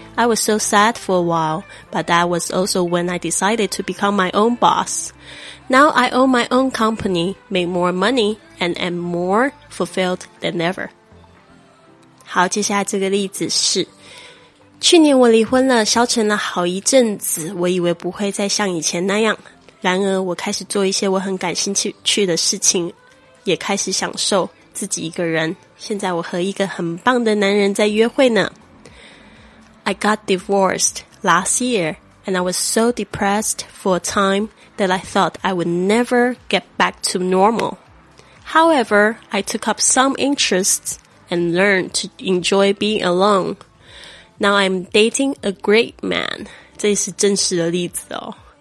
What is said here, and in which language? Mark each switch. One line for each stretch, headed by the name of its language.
English: I was so sad for a while, but that was also when I decided to become my own boss. Now I own my own company, make more money, and am more fulfilled than ever.
Chinese: 好，接下来这个例子是，去年我离婚了，消沉了好一阵子，我以为不会再像以前那样，然而我开始做一些我很感兴趣的事情，也开始享受自己一个人，现在我和一个很棒的男人在约会呢。
English: I got divorced last year and I was so depressed for a time that I thought I would never get back to normal. However, I took up some interests and learned to enjoy being alone. Now I'm dating a great man.
Chinese: 这是真实的例子哦。